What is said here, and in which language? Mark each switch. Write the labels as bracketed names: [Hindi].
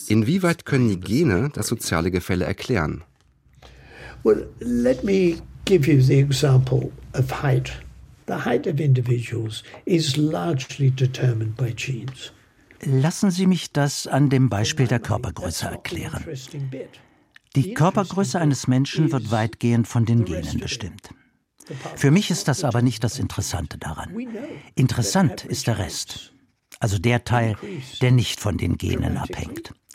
[German] Inwieweit können die Gene das soziale Gefälle erklären? [English] Well, let me give you the example of height. The height of individuals is largely determined by genes. [German] Lassen Sie mich das an dem Beispiel der Körpergröße erklären. Die Körpergröße eines Menschen wird weitgehend von den Genen bestimmt. Für mich ist das aber nicht das Interessante daran. Interessant ist der Rest, also der Teil, der nicht von den Genen abhängt.